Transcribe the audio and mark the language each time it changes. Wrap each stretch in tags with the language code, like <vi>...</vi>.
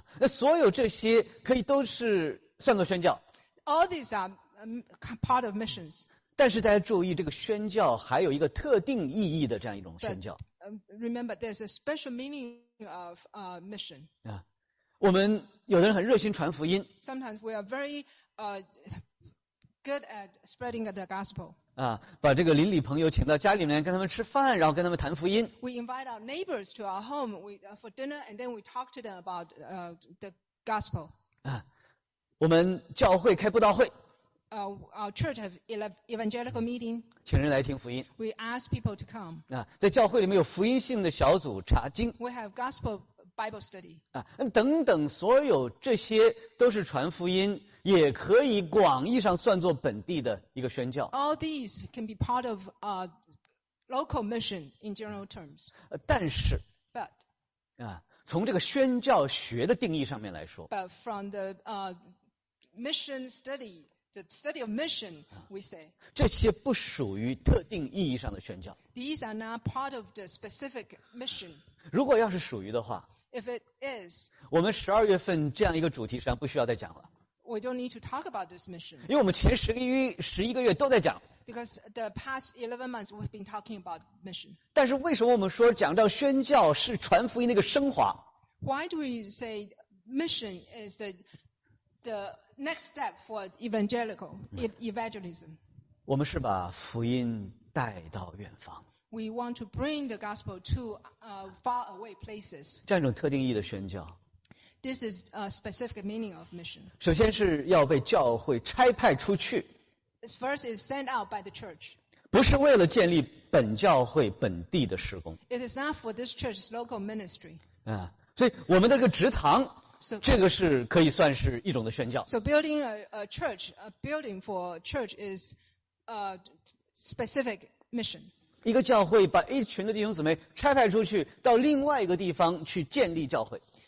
<zh>那所有这些可以都是算作宣教。</zh> <en>All these are part of missions.</en> <zh>但是大家注意，这个宣教还有一个特定意义的这样一种宣教。</zh> <en>But, remember, there's a special meaning of mission.</en> <zh>我们有的人很热心传福音。</zh> <en>Sometimes we are very good at spreading the gospel.</en> <zh>把这个邻里朋友请到家里面跟他们吃饭，然后跟他们谈福音。</zh> <en>We invite our neighbors to our home for dinner and then we talk to them about the gospel.</en> <zh>我们教会开布道会。</zh> <en>Our church has evangelical meeting.</en> <zh>请人来听福音。</zh> <en>We ask people to come.</en> <zh>在教会里面有福音性的小组查经。</zh> <en>We have gospel Bible study.</en> <zh>等等，所有这些都是传福音。也可以广义上算作本地的一个宣教。</zh> <en>All these can be part of local mission in general terms.</en> <zh>但是</zh> <en>，but</en> <zh>从这个宣教学的定义上面来说</zh> <en>，but from the mission study, the study of mission, we say</en> <zh>这些不属于特定意义上的宣教。</zh> <en>These are not part of the specific mission.</en> <zh>如果要是属于的话</zh> <en>，if it is，</en> <zh>我们十二月份这样一个主题实际上不需要再讲了。</zh> <en>We don't need to talk about this mission.</en> <zh>因为我们前十一个月都在讲。</zh> <en>Because the past 11 months we've been talking about mission.</en> <zh>但是为什么我们说讲到宣教是传福音的一个升华？</zh> <en>Why do we say mission is the next step for evangelism?</en> <zh>我们是把福音带到远方。</zh> <en>We want to bring the gospel to far away places.</en> <zh>这样一种特定意义的宣教。</zh> <en>This is a specific meaning of mission.</en> <zh>首先是要被教会差派出去。</zh> <en>First is sent out by the church.</en> <zh>不是为了建立本教会本地的事工。</zh> <en>It is not for this church's local ministry.</en> <zh>所以我们的这个职堂，这个是可以算是一种的宣教。</zh> <en>So building a church, a building for church is a specific mission.</en> <zh>一个教会把一群的弟兄姊妹差派出去到另外一个地方去建立教会。</zh>